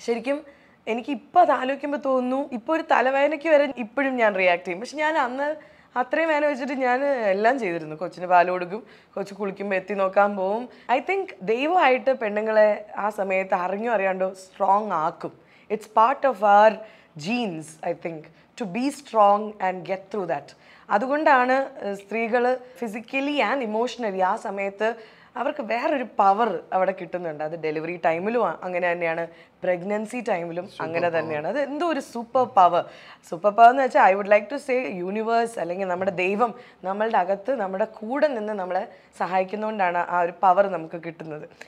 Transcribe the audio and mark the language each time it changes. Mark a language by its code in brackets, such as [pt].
[ml] ശരിക്കും എനിക്ക് ഇപ്പോൾ അത് ആലോചിക്കുമ്പോൾ തോന്നുന്നു, ഇപ്പോൾ ഒരു തലവേദനയ്ക്ക് വരെ ഇപ്പോഴും ഞാൻ റിയാക്ട് ചെയ്യും. പക്ഷെ ഞാൻ അന്ന് അത്രയും വേദന വെച്ചിട്ട് ഞാൻ എല്ലാം ചെയ്തിരുന്നു, കൊച്ചിന് പാല് കൊടുക്കും, കൊച്ചു കുളിക്കുമ്പോൾ എത്തി നോക്കാൻ പോവും. ഐ തിങ്ക് ദൈവമായിട്ട് പെണ്ണുങ്ങളെ ആ സമയത്ത് അറിഞ്ഞോ അറിയാണ്ടോ സ്ട്രോങ് ആക്കും. [en] It's part of our genes, I think, to be strong and get through that. [ml] അതുകൊണ്ടാണ് സ്ത്രീകൾ ഫിസിക്കലി ആൻഡ് ഇമോഷണലി ആ സമയത്ത് അവർക്ക് വേറൊരു പവർ അവിടെ കിട്ടുന്നുണ്ട്. അത് ഡെലിവറി ടൈമിലും അങ്ങനെ തന്നെയാണ്, പ്രഗ്നൻസി ടൈമിലും അങ്ങനെ തന്നെയാണ്. അത് എന്തോ ഒരു സൂപ്പർ പവർ. സൂപ്പർ പവർ എന്ന് വെച്ചാൽ [en] I would like to say [ml] universe അല്ലെങ്കിൽ നമ്മുടെ ദൈവം നമ്മളുടെ അകത്ത് നമ്മുടെ കൂടെ നിന്ന് നമ്മളെ സഹായിക്കുന്നതുകൊണ്ടാണ് ആ ഒരു പവർ നമുക്ക് കിട്ടുന്നത്.